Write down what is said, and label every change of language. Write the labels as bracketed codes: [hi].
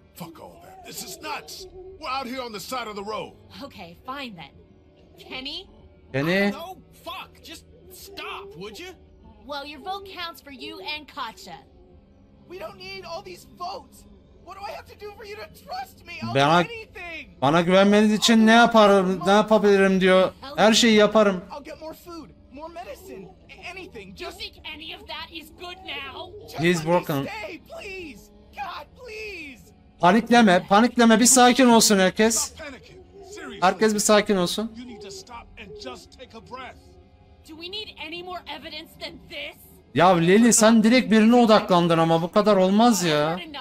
[en] Fuck all that. This is nuts. We're out here on the side of the road. Okay, fine then. Kenny? Kenny? No, fuck. Just stop, would you? Well, your vote counts for you and Katja. We don't need all these votes. What do I have to do for you to trust me? I'll [tr] bana, [en] do anything. [tr] Bana güvenmeniz için ne yaparım, ne yapabilirim diyor. Her şeyi yaparım. [en] I'll get more food, more medicine, anything. Just think any of that is good now. He's broken. Stay, please. God, please. [tr] Panikleme, panikleme. Bir sakin olsun herkes. Herkes bir sakin olsun. [en] You need to stop and just take a breath. Do we need any more evidence than this? [tr] Ya Lily sen direkt birine odaklandın ama bu kadar olmaz ya.